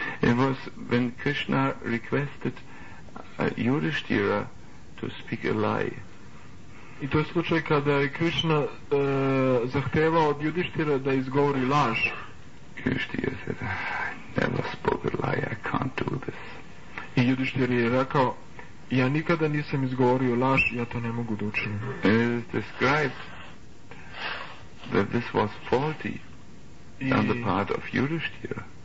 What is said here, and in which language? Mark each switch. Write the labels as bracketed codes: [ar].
[en] It was when Krishna requested Yudhishthira to speak a lie. [sr] I to je slučaj kada je Krishna zahtevao od Yudhishthira da izgovori laž. [en] Yudhishthira said, I never spoke a lie, I can't do this. [sr] I Yudhishthira je rekao, ja nikada nisam izgovorio laž, ja to ne mogu da učinim. [en] It is described that this was faulty on the part of Yudhishthira.